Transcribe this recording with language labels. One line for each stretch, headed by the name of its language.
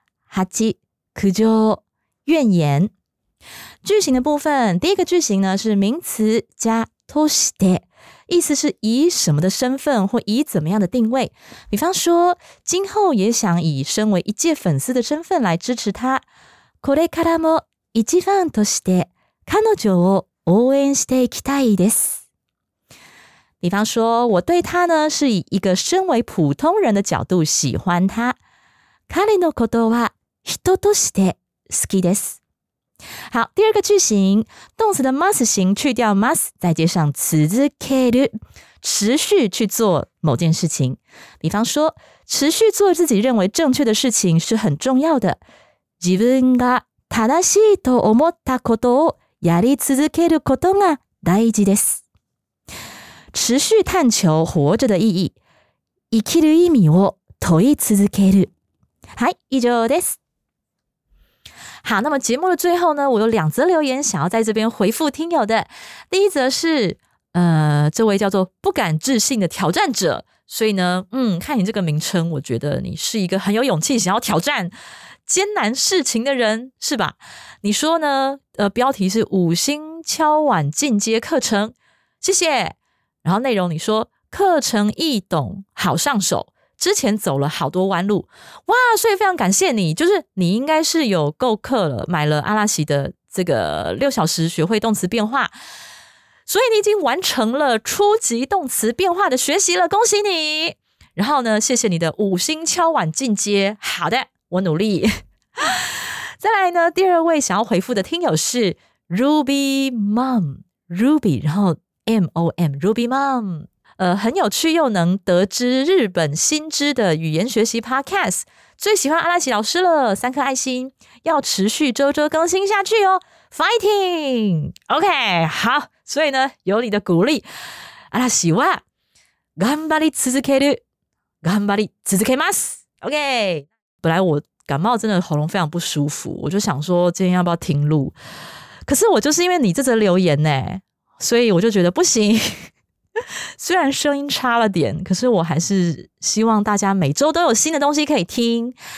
Chinese: 八、苦情、怨言。句型的部分，第一个句型呢是名词加通して，意思是以什么的身份或以怎么样的定位。比方说，今后也想以身为一介粉丝的身份来支持他。
Japanese: これからも一ファンとして彼女を応援していきたいです。
Chinese: 比方说，我对他呢是以一个身为普通人的角度喜欢他。
Japanese: 彼のことは人として好きです。
Chinese: 好，第二个句型，动词的 must 型去掉 must， 再接上続ける，持续去做某件事情。比方说，持续做自己认为正确的事情是很重要的。
Japanese: 自分が正しいと思ったことをやり続けることが大事です。
Chinese: 持续探求活着的意义，
Japanese: 生きる意味を問い続ける。はい、以上です。
Chinese: 好，那么节目的最后呢，我有两则留言想要在这边回复听友的。第一则是，这位叫做不敢置信的挑战者，所以呢，看你这个名称，我觉得你是一个很有勇气想要挑战艰难事情的人，是吧？你说呢？标题是五星敲碗进阶课程，谢谢。然后内容你说课程易懂好上手。之前走了好多弯路，哇，所以非常感谢你，就是你应该是有购课了，买了阿拉西的这个六小时学会动词变化，所以你已经完成了初级动词变化的学习了，恭喜你。然后呢，谢谢你的五星敲碗进阶，好的，我努力。再来呢，第二位想要回复的听友是 Ruby Mom Ruby， 然后 MOM Ruby Mom，很有趣又能得知日本新知的语言学习 podcast， 最喜欢阿拉奇老师了，三颗爱心，要持续周周更新下去哦， fighting， OK， 好，所以呢，有你的鼓励，阿拉奇哇，
Japanese: 頑張り続ける，頑張り続けます，
Chinese: OK。本来我感冒真的喉咙非常不舒服，我就想说今天要不要停录，可是我就是因为你这则留言呢，所以我就觉得不行。虽然声音差了点，可是我还是希望大家每周都有新的东西可以听。